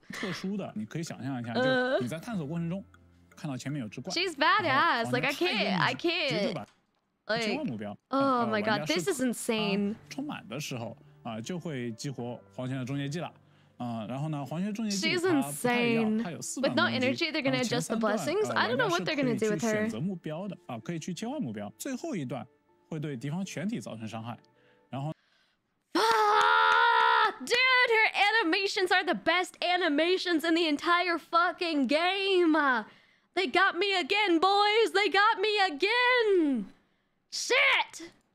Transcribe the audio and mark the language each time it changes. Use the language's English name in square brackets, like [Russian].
[Chinese] 特殊的，你可以想象一下，就你在探索过程中看到前面有只怪。 [English] She's badass. Like I can't. Like, oh my god, this is insane. [Chinese] 充满的时候就会激活黄泉的终结技了。然后呢，黄泉终结技 [English] ，She's insane. With no energy, they're gonna adjust the blessings. I don't know what they're gonna do with her. [Chinese] 选择目标的啊，可以去切换目标。最后一段会对敌方全体造成伤害。然后 [English] ，Fuck, dude, her animations are the best animations in the entire fucking game. They got me again, boys. They got me again. Shit!